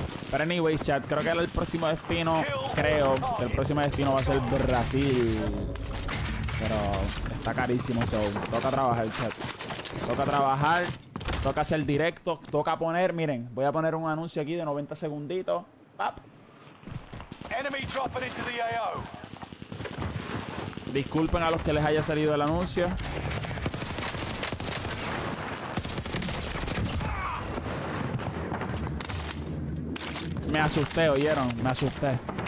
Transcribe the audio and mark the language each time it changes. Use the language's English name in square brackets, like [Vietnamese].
[Spanish] Pero anyway, chat, creo que el próximo destino, creo que el próximo destino va a ser Brasil. Pero está carísimo, so. Toca trabajar, chat. Toca trabajar, toca hacer directo, toca poner, miren, voy a poner un anuncio aquí de 90 segunditos. ¡Pap! [English] Enemy dropping into the AO. [Spanish] Disculpen a los que les haya salido el anuncio. Me asusté, ¿oyeron? Me asusté.